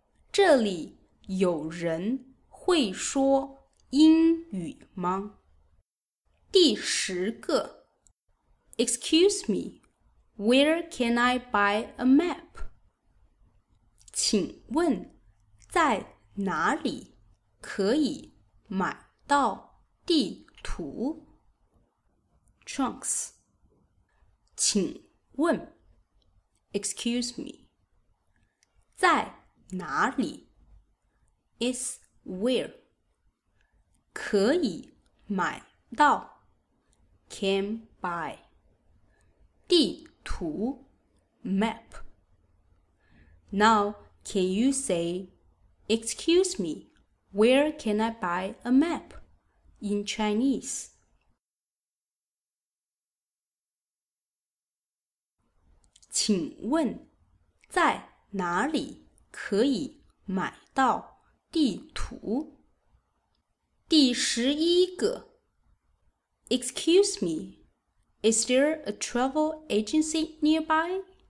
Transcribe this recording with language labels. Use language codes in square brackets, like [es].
[zh] 这里有人会说英语吗？第十个 [en] Excuse me, where can I buy a map? [zh] 请问在哪里可以买到地图 [en] ？Trunks， [zh] 请问 [en] ，Excuse me， [zh] 在哪里 [en] ？Is where [zh] 可以买到 [en] ？Can buy。 [zh] 地图 [en] map. Now, can you say, Excuse me, where can I buy a map? In Chinese. [zh] 请问在哪里可以买到地图？第十一个 [en] Excuse me, is there a travel agency nearby?